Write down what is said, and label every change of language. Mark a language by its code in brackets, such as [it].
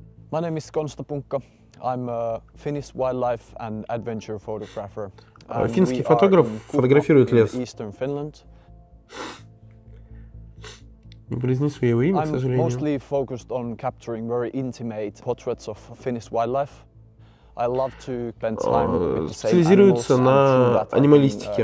[en] My name is Konsta Punkka. I'm a Finnish wildlife and adventure photographer. [ru] Финский фотограф фотографирует лес. [en] Eastern Finland. [ru] Не произнесу его имя, к сожалению. [en] I'm mostly focused on capturing very intimate portraits of Finnish wildlife. I love to spend time with the same animals. [ru] Специализируется на анималистике.